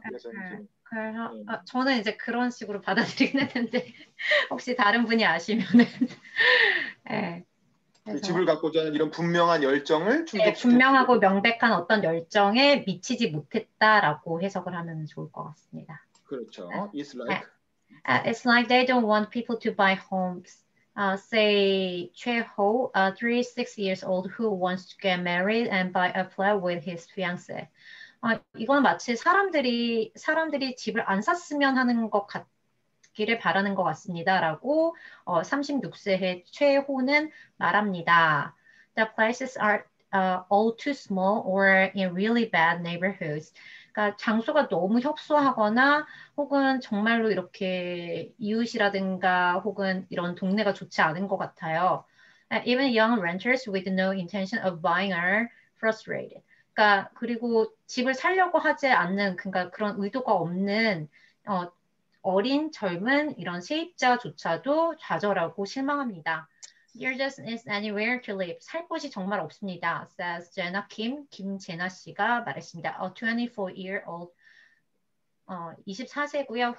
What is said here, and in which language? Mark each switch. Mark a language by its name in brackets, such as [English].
[Korean] 그래서 저는 이제 그런 식으로 받아들이긴 했는데 혹시 다른 분이 아시면은. 네. 그 집을 갖고자 하는 이런 분명한 열정을 충족시켜. 네, 분명하고 명백한 어떤 열정에 미치지 못했다라고 해석을 하면 좋을 것 같습니다. 그렇죠. 네. [English] It's like. [Korean] 네. [English] It's like they don't want people to buy homes. Say Choi Ho, 36 years old, who wants to get married and buy a flat with his fiance. [Korean] 이건 마치 사람들이 집을 안 샀으면 하는 것 같기를 바라는 것 같습니다라고 36세의 최호는 말합니다. [English] The places are all too small or in really bad neighborhoods. [Korean] 그러니까 장소가 너무 협소하거나 혹은 정말로 이렇게 이웃이라든가 혹은 이런 동네가 좋지 않은 것 같아요. [English] Even young renters with no intention of buying are frustrated. [Korean] 그러니까 그리고 집을 살려고 하지 않는 그러니까 그런 의도가 없는 어린 젊은 이런 세입자조차도 좌절하고 실망합니다. [English] There just isn't anywhere to live. [Korean] 살 곳이 정말 없습니다. [English] Says Jenna Kim, [Korean] 김재나 씨가 말했습니다. [English] A 24-year-old, [Korean] 24세고요.